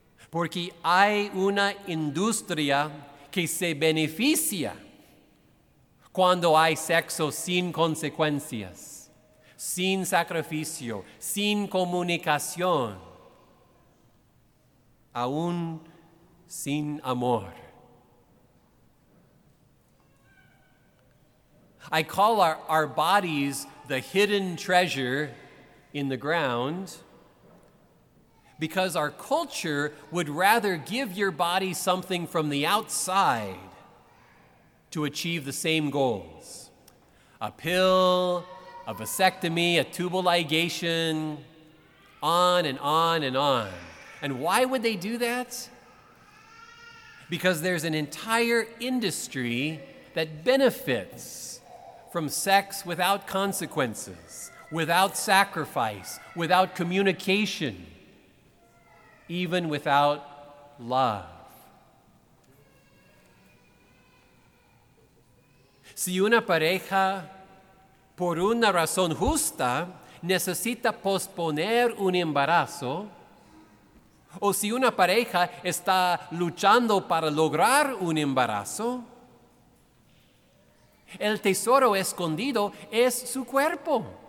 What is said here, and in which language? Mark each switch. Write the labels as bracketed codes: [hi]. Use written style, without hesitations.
[es] Porque hay una industria que se beneficia cuando hay sexo sin consecuencias, sin sacrificio, sin comunicación, aún sin amor. [en] I call our bodies the hidden treasure in the ground, because our culture would rather give your body something from the outside to achieve the same goals. A pill, a vasectomy, a tubal ligation, on and on and on. And why would they do that? Because there's an entire industry that benefits from sex without consequences, without sacrifice, without communication, even without love. [es] Si una pareja, por una razón justa, necesita posponer un embarazo, o si una pareja está luchando para lograr un embarazo, el tesoro escondido es su cuerpo.